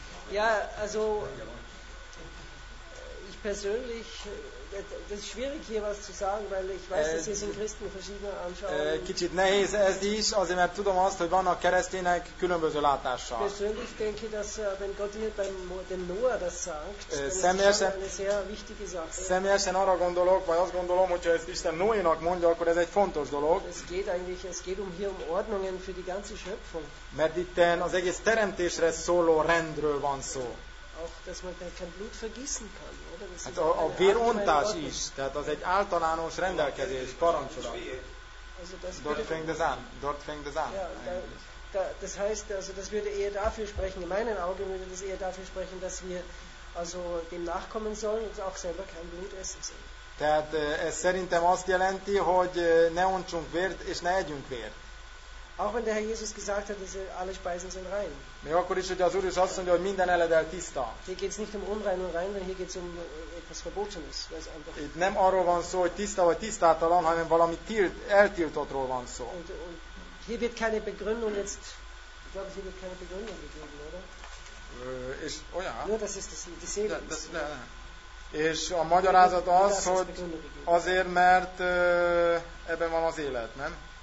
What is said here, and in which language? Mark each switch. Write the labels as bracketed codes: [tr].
[de] Ja, also ich persönlich, das ist schwierig hier was zu sagen, weil ich weiß, dass es in Christen verschiedene Anschauungen. [hu] Kicsit nehéz ez is, azért mert tudom azt, hogy vannak keresztények különböző látással. [de] Persönlich denke, dass wenn Gott hier dem Noah das sagt, [hu] személyesen, ez egy [de] sehr wichtige Sache. [hu] Személyesen arra gondolok, vagy azt gondolom, hogyha ezt Isten Noénak mondja, akkor ez egy fontos dolog. [de] Es geht hier um Ordnungen für die ganze Schöpfung. [hu] Mert itt az egész teremtésre szóló rendről van szó. [de] Auch, dass man kein Blut vergießen kann, oder? [hu] Hát a vérontás is, tehát az egy általános rendelkezés, parancsolat. [de] Dort fängt es an. Das heißt, also das würde eher dafür sprechen, in meinen Augen würde das eher dafür sprechen, dass wir also dem nachkommen sollen und auch selber kein Blut essen sollen. [hu] Tehát ez szerintem azt jelenti, hogy ne ontsunk vért és ne együnk vért. [de] Auch wenn der Herr Jesus gesagt hat, dass alle Speisen sind rein. [hu] Még akkor is, hogy az Úr is azt mondja, hogy minden eledel tiszta. [de] Hier geht's nicht um unrein und rein, hier geht's um etwas Verbotenes. [hu] Itt nem arról van szó, hogy tiszta vagy tisztátalan, hanem valami eltiltottról van szó. [de] Und hier wird keine Begründung jetzt, ich glaube, hier wird keine Begründung gegeben, oder? [hu] És, ja. [de] Nur das ist die Seele. [hu] És a magyarázat az, hogy azért, mert ebben van az élet, nem?